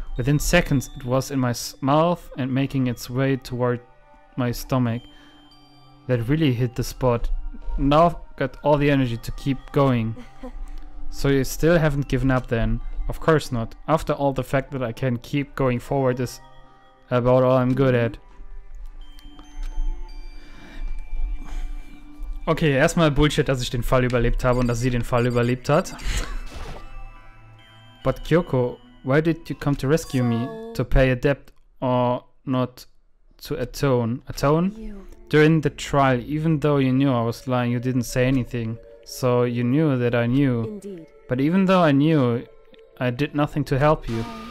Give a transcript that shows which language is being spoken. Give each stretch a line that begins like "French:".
English: Within seconds, it was in my mouth and making its way toward my stomach. That really hit the spot. Now I've got all the energy to keep going. So you still haven't given up then? Of course not. After all, the fact that I can keep going forward is about all I'm good at.
German: Okay, erstmal Bullshit, dass ich den Fall überlebt habe und dass sie den Fall überlebt hat.
English: But Kyoko, why did you come to rescue me? To pay a debt or not to atone? Atone? During the trial, even though you knew I was lying, you didn't say anything. So you knew that I knew. But even though I knew, I did nothing to help you.